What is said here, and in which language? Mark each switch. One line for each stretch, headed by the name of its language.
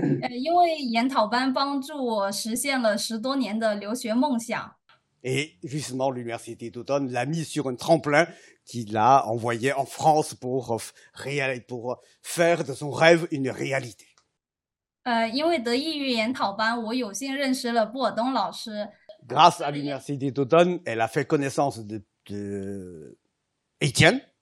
Chinese: 因为研讨班帮助我实现了10多年的留学梦想。
French: Et justement, l'université d'automne l'a mis sur un tremplin qu'il a envoyé en France pour faire de son rêve une réalité.
Chinese: 因为得益于研讨班，我有幸认识了布尔东老师。
French: Grâce à l'université d'automne, elle a fait connaissance de Etienne.